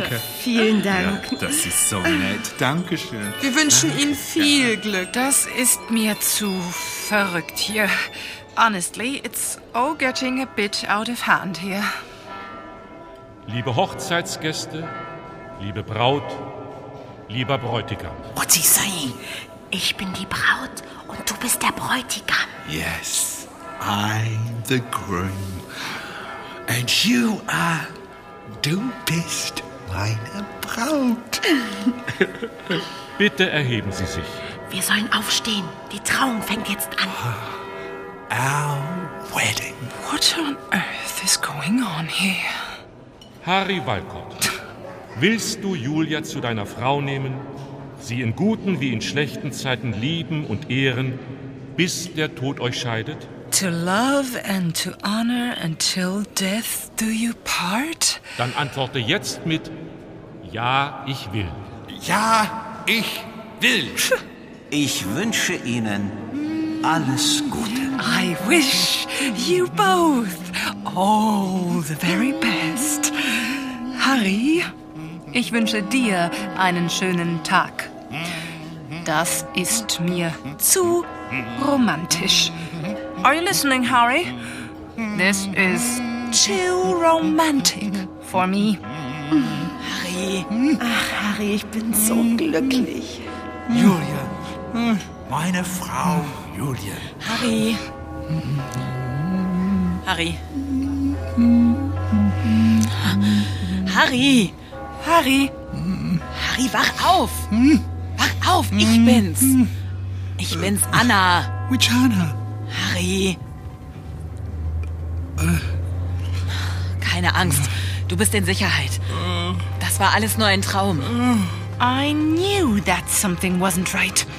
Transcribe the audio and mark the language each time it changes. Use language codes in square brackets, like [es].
[de] Danke. Vielen Dank. Ja, das ist so nett. Dankeschön. Wir wünschen danke. Ihnen viel ja. Glück. Das ist mir zu verrückt hier. [en] Honestly, it's all getting a bit out of hand here. [de] Liebe Hochzeitsgäste, liebe Braut, lieber Bräutigam. [en] What's he saying? [de] Ich bin die Braut und du bist der Bräutigam. [en] Yes, I'm the groom. And you are... [de] Du bist meine Braut. Bitte erheben Sie sich. Wir sollen aufstehen. Die Trauung fängt jetzt an. [en] Our wedding. What on earth is going on here? [de] Harry Walcott, willst du Julia zu deiner Frau nehmen, sie in guten wie in schlechten Zeiten lieben und ehren, bis der Tod euch scheidet? [en] To love and to honor until death do you part? [de] Dann antworte jetzt mit Ja, ich will. Ja, ich will. Ich wünsche Ihnen alles Gute. [en] I wish you both all the very best. [de] Harry, ich wünsche dir einen schönen Tag. Das ist mir zu romantisch. [en] Are you listening, Harry? This is too romantic for me. [de] Harry. Ach, Harry, ich bin so glücklich. Julia. Meine Frau, Julia. Harry. Harry. Harry. Harry. Harry, wach auf. Wach auf, ich bin's. Ich bin's, Anna. [en] Which Anna? [de] Harry. Keine Angst. Du bist in Sicherheit. Das war alles nur ein Traum. [en] I knew that something wasn't right.